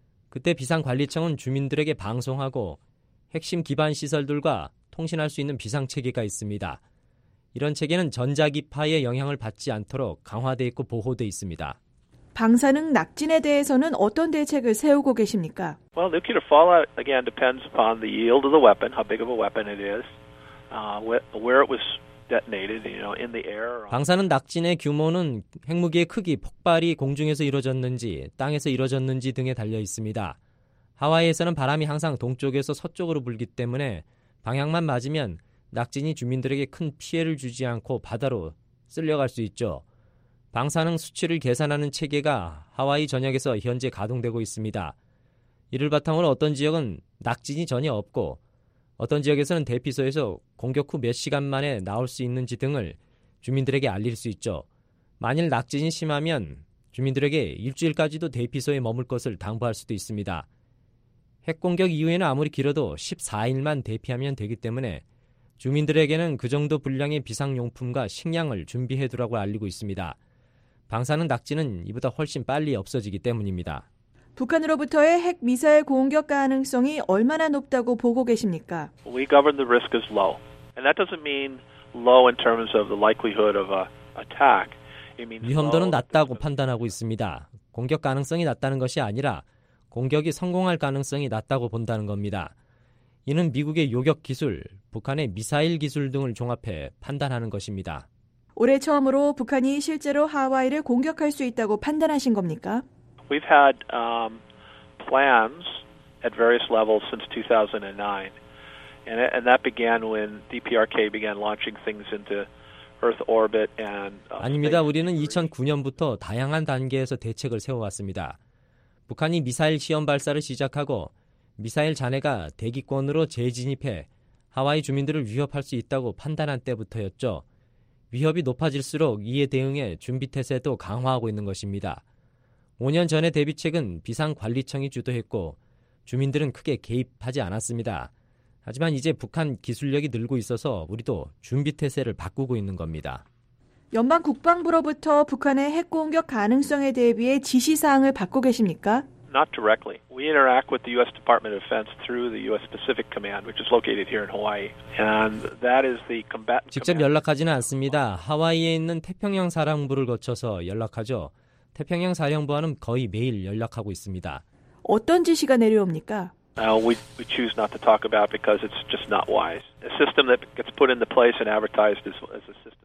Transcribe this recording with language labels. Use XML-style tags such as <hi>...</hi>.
<ko>그때 비상관리청은 주민들에게 방송하고 핵심 기반 시설들과 통신할 수 있는 비상 체계가 있습니다. 이런 체계는 전자기파의 영향을 받지 않도록 강화되어 있고 보호되어 있습니다. 방사능 낙진에 대해서는 어떤 대책을 세우고 계십니까?</ko> <en>Well, nuclear fallout again depends upon the yield of the weapon, how big of a weapon it is, where it was detonated, you know, in the air.</en> <ko>방사능 낙진의 규모는 핵무기의 크기, 폭발이 공중에서 이루어졌는지, 땅에서 이루어졌는지 등에 달려 있습니다. 하와이에서는 바람이 항상 동쪽에서 서쪽으로 불기 때문에 방향만 맞으면 낙진이 주민들에게 큰 피해를 주지 않고 바다로 쓸려갈 수 있죠. 방사능 수치를 계산하는 체계가 하와이 전역에서 현재 가동되고 있습니다. 이를 바탕으로 어떤 지역은 낙진이 전혀 없고 어떤 지역에서는 대피소에서 공격 후 몇 시간 만에 나올 수 있는지 등을 주민들에게 알릴 수 있죠. 만일 낙진이 심하면 주민들에게 일주일까지도 대피소에 머물 것을 당부할 수도 있습니다. 핵 공격 이후에는 아무리 길어도 14일만 대피하면 되기 때문에 주민들에게는 그 정도 분량의 비상용품과 식량을 준비해두라고 알리고 있습니다. 방사능 낙진은 이보다 훨씬 빨리 없어지기 때문입니다. 북한으로부터의 핵 미사일 공격 가능성이 얼마나 높다고 보고 계십니까?</ko> <en>We govern the risk as low. And that doesn't mean low in terms of the likelihood of a attack. It means</en> <ko>위험도는 낮다고 판단하고 있습니다. 공격 가능성이 낮다는 것이 아니라 공격이 성공할 가능성이 낮다고 본다는 겁니다. 이는 미국의 요격 기술, 북한의 미사일 기술 등을 종합해 판단하는 것입니다. 올해 처음으로 북한이 실제로 하와이를 공격할 수 있다고 판단하신 겁니까?</ko> <en>We've had plans at various levels since 2009. And that began when DPRK began launching things into Earth orbit and</en> <ko>아닙니다. 우리는 2009년부터 다양한 단계에서 대책을 세워왔습니다. 북한이 미사일 시험 발사를 시작하고 미사일 잔해가 대기권으로 재진입해 하와이 주민들을 위협할 수 있다고 판단한 때부터였죠. 위협이 높아질수록 이에 대응해 준비태세도 강화하고 있는 것입니다. 5년 전의 대비책은 비상관리청이 주도했고 주민들은 크게 개입하지 않았습니다. 하지만 이제 북한 기술력이 늘고 있어서 우리도 준비태세를 바꾸고 있는 겁니다. 연방 국방부로부터 북한의 핵공격 가능성에 대비해 지시사항을 받고 계십니까?</ko> <en>Not directly. We interact with the U.S. Department of Defense through the U.S. Pacific Command, which is located here in Hawaii, and that is the combatant.</en> <ko>직접 연락하지는 않습니다. 하와이에 있는 태평양 사령부를 거쳐서 연락하죠. 태평양 사령부와는 거의 매일 연락하고 있습니다. 어떤 지시가 내려옵니까?</ko> <en>We choose not to talk about because it's just not wise. A system that gets put into place and advertised as a system.</en>